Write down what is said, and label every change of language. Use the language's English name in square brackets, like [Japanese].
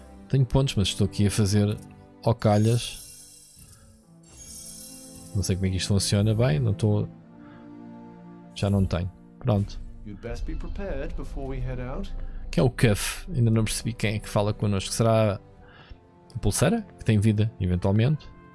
[Portuguese] Tenho pontos, mas estou aqui a fazer ocalhas. Não sei como é que isto funciona bem, não estou... Já não tenho. Pronto. [English] You'd best be prepared before we head out. [Portuguese] Quem é o Cuff? Ainda não percebi quem é que fala connosco. Será a pulseira? Que tem vida, eventualmente.